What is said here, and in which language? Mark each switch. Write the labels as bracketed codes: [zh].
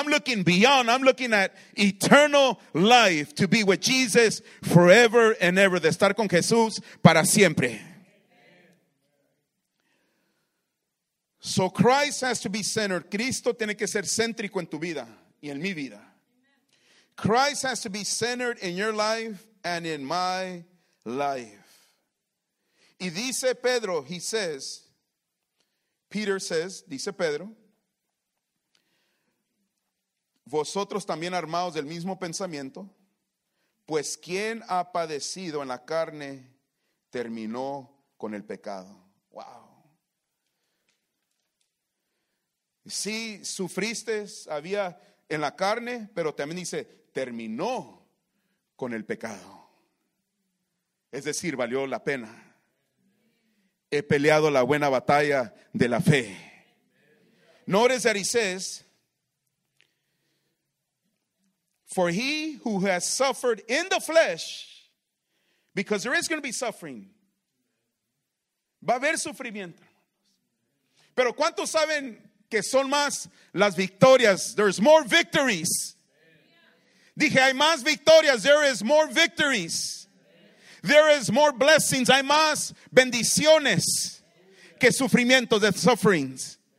[en] I'm looking beyond, I'm looking at eternal life, to be with Jesus forever and ever, [es] de estar con Jesús para siempre. [en] So Christ has to be centered. [es] Cristo tiene que ser céntrico en tu vida y en mi vida. [en] Christ has to be centered in your life and in my life. [es] Y dice Pedro, [en] he says, Peter says, [es] dice Pedro, vosotros también armados del mismo pensamiento, pues quien ha padecido en la carne terminó con el pecado. Wow. Sí, sufriste, había en la carne, pero también dice, terminó con el pecado. Es decir, valió la pena. He peleado la buena batalla de la fe. [en] Notice that he says, for he who has suffered in the flesh, because there is going to be suffering. [es] Va a haber sufrimiento. Pero ¿cuántos saben que son más las victorias? [en] There's more victories. [es] Dije, hay más victorias. [en] There is more victories. There is more blessings. [es] Hay más bendiciones que sufrimientos, de sufferings.